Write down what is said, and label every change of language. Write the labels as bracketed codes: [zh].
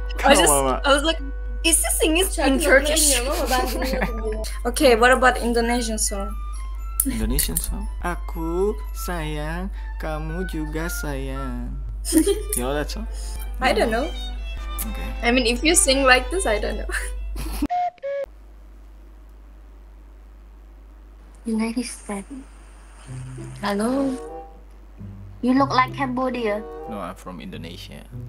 [en] I was like, is this thing is in Turkish? Okay, what about Indonesian song? Indonesian song? [id] Aku sayang, kamu juga sayang. [en] You know that song? No. I don't know. Okay. I mean, if you sing like this, I don't know. You ladies said. Hello? You look like Cambodia. No, I'm from Indonesia.